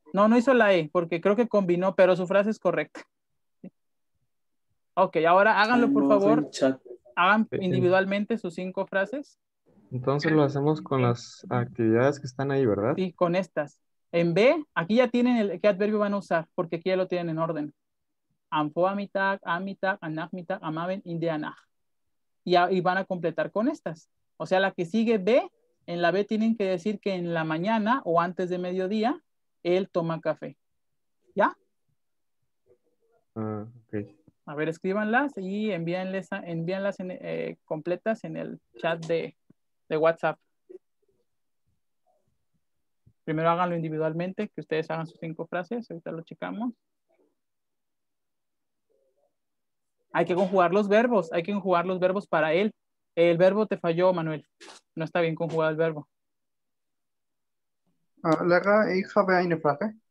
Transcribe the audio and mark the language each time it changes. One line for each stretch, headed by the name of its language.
Spanish: No hizo la E, porque creo que combinó, pero su frase es correcta. Ok, ahora háganlo, por favor. Hagan individualmente sus 5 frases. Entonces lo hacemos con las actividades que están ahí, ¿verdad? Sí, con estas. En B, aquí ya tienen qué adverbio van a usar, porque aquí ya lo tienen en orden.
German: Am Vormittag, am Mittag, am Nachmittag, am Abend, in der Nacht.
Spanish: Y van a completar con estas. O sea, la que sigue B, en la B tienen que decir que en la mañana o antes de mediodía, él toma café. ¿Ya? Ah, ok. A ver, escríbanlas y envíenlas completas en el chat de WhatsApp. Primero háganlo individualmente, que ustedes hagan sus 5 frases. Ahorita lo checamos. Hay que conjugar los verbos. Hay que conjugar los verbos para él. El verbo te falló, Manuel. No está bien conjugado el verbo.
German: Lara, ich habe eine Frage.